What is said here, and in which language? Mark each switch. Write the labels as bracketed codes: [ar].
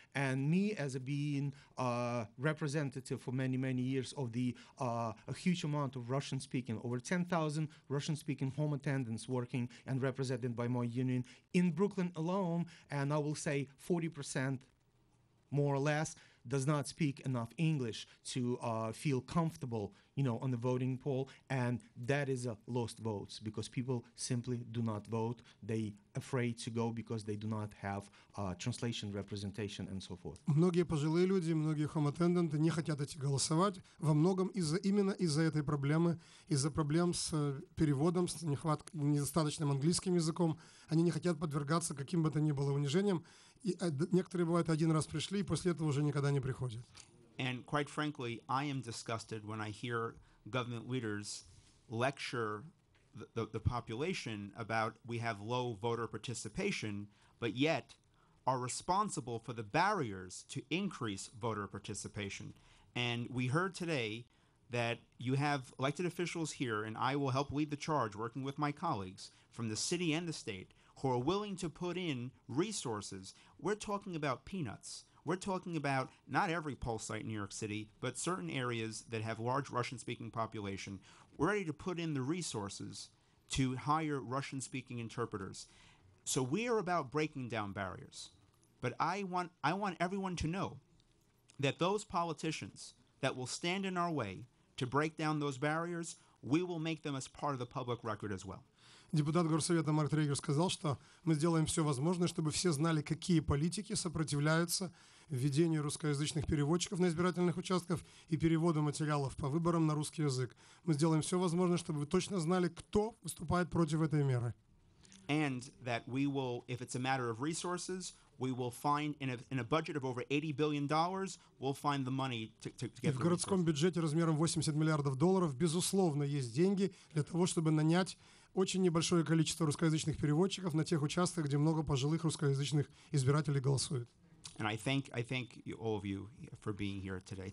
[en] And me, as a being a representative for many, many years of the a huge amount of Russian-speaking, over 10,000 Russian-speaking home attendants working and represented by my union in Brooklyn alone, and I will say 40% more or less does not speak enough English to feel comfortable, you know, on the voting poll. And that is a lost vote because people simply do not vote. They afraid to go because they do not have translation representation and so forth. [ru] Многие пожилые люди, многие [en] home attendants [ru] не хотят идти голосовать во многом именно из-за этой проблемы, из-за проблем с переводом, с недостаточным английским языком. Они не хотят подвергаться каким бы то ни было унижениям. И некоторые бывают один раз пришли, и после этого уже никогда не приходят. [en] And quite frankly, I am disgusted when I hear government leaders lecture the population about we have low voter participation, but yet are responsible for the barriers to increase voter participation. And we heard today that you have elected officials here, and I will help lead the charge working with my colleagues from the city and the state who are willing to put in resources. We're talking about peanuts. We're talking about not every poll site in New York City, but certain areas that have large Russian-speaking population. We're ready to put in the resources to hire Russian-speaking interpreters. So we are about breaking down barriers. But I want everyone to know that those politicians that will stand in our way to break down those barriers, we will make them as part of the public record as well. [ru] Депутат Горсовета Марк Трейгер сказал, что мы сделаем все возможное, чтобы все знали, какие политики сопротивляются введению русскоязычных переводчиков на избирательных участках и переводу материалов по выборам на русский язык. Мы сделаем все возможное, чтобы вы точно знали, кто выступает против этой меры. [en] And that we will, if it's a matter of resources, we will find in a budget of over $80 billion, we'll find the money to get the resources. [ru] В городском бюджете размером 80 миллиардов долларов, безусловно, есть деньги для того, чтобы нанять очень небольшое количество русскоязычных переводчиков на тех участках, где много пожилых русскоязычных избирателей голосуют. [en] And I thank you, all of you, for being here today.